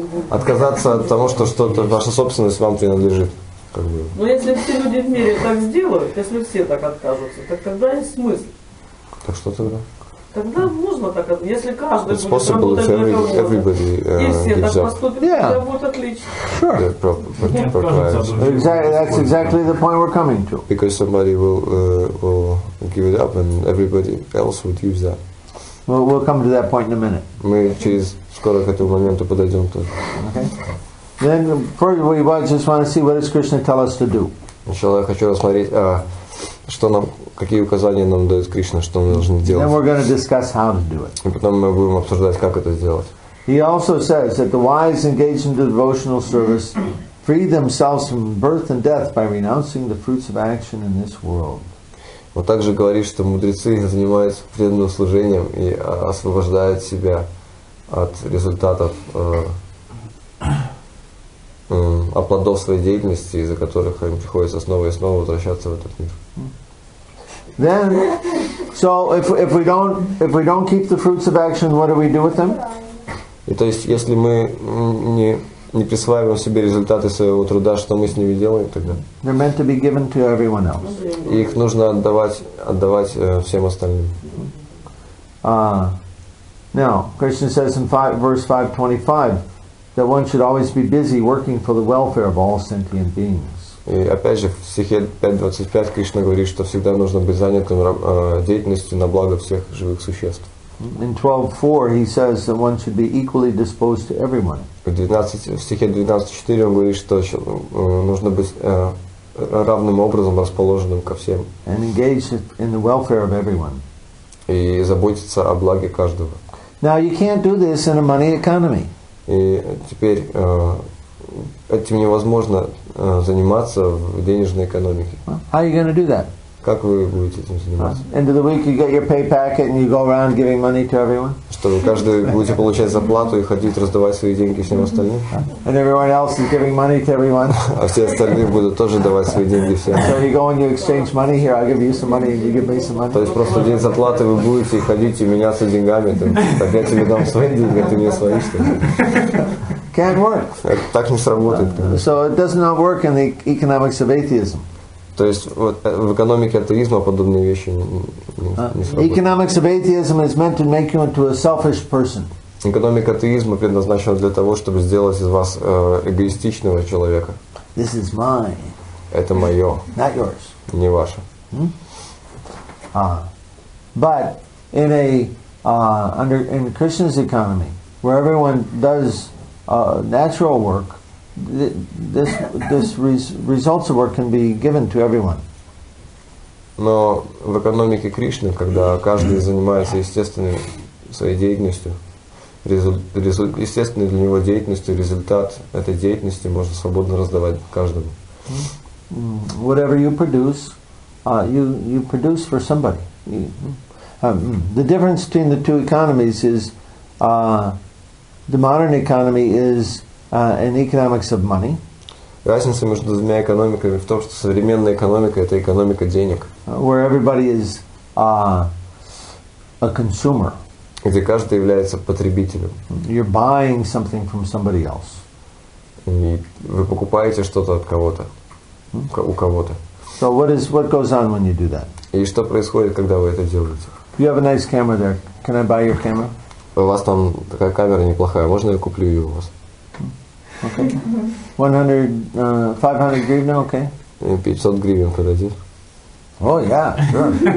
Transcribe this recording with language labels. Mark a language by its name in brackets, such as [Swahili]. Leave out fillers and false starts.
[Russian] Отказаться от того, что что-то ваша собственность вам принадлежит. Как бы. Но если все люди в мире так сделают, если все так откажутся, так тогда есть смысл. Так что тогда? Тогда можно так, если каждый будет работать для кого-то. [English] It's possible if everybody gives up. Yeah. Sure. Exactly, that's exactly the point we're coming to. Because somebody will give it up and everybody else would use that. Well, we'll come to that point in a minute. [Russian] Мы через скоро к этому моменту подойдем тоже. [English] Okay. Then first we just want to see what does Krishna tell us to do. [Russian] Сначала я хочу рассмотреть, что нам, какие указания нам дает Кришна, что мы должны делать. [English] Then we're going to discuss how to do it. [Russian] И потом мы будем обсуждать, как это сделать. [English] He also says that the wise engaged in the devotional service free themselves from birth and death by renouncing the fruits of action in this world. [Russian] Он также говорит, что мудрецы занимаются преданным служением и освобождают себя от результатов о плодов своей деятельности, из-за которых им приходится снова и снова возвращаться в этот мир. [English] Then, so if we don't keep the fruits of action, what do we do with them? [Russian] И то есть, если мы не присваиваем себе результаты своего труда, что мы с ними делаем тогда? [English] They're meant to be given to everyone else. [Russian] Их нужно отдавать всем остальным. [English] Now, Krishna says in verse 5:25 that one should always be busy working for the welfare of all sentient beings. [Russian] И опять же, в стихе 5.25 Кришна говорит, что всегда нужно быть занятым деятельностью на благо всех живых существ. [English] In 12.4 he says that one should be equally disposed to everyone. [Russian] В стихе 12.4 он говорит, что нужно быть равным образом расположенным ко всем. [English] And engage in the welfare of everyone. [Russian] И заботиться о благе каждого. [English] Now you can't do this in a money economy. [Russian] И теперь этим невозможно заниматься в денежной экономике. [English] How are you going to do that? [Russian] Как вы будете этим заниматься? [English] End of the week you get your pay packet and you go around giving money to everyone? [Russian] Что каждый будет получать зарплату и ходить раздавать свои деньги всем остальным. [English] And everyone else is giving money to everyone. [Russian] А все остальные будут тоже давать свои деньги всем. [English] So you go and you exchange money here, I'll give you some money and you give me some money. [Russian] То есть просто день зарплаты вы будете ходить и меняться деньгами. Там, так я тебе дам свои деньги, а ты мне свои что ли? [English] Can't work. [Russian] Это так не сработает. [English] So it does not work in the economics of atheism. [Russian] То есть вот, в экономике атеизма подобные вещи не сработают. [English] Economics of atheism is meant to make you into a selfish person. [Russian] Экономика атеизма предназначена для того, чтобы сделать из вас эгоистичного человека. [English] This is mine. [Russian] Это мое. [English] Not yours. [Russian] Не ваше. [English] But in a under in Krishna's economy, where everyone does natural work, results of work can be given to everyone. [Russian] Но в экономике Кришны, когда каждый занимается естественной своей деятельностью, естественной для него деятельностью, результат этой деятельности можно свободно раздавать каждому. [English] Whatever you produce, you produce for somebody. The difference between the two economies is the modern economy is in economics of money. [Russian] Разница между двумя экономиками в том, что современная экономика — это экономика денег. [English] Where everybody is a consumer. [Russian] Где каждый является потребителем. [English] You're buying something from somebody else. [Russian] И вы покупаете что-то от кого-то. У кого-то. [English] So what goes on when you do that? [Russian] И что происходит, когда вы это делаете? [English] You have a nice camera there. Can I buy your camera? [Russian] У вас там такая камера неплохая. Можно я куплю ее у вас? [English] Okay. [Russian] 500 гривен, okay. 500 гривен подойдет? [English] Oh, yeah, sure.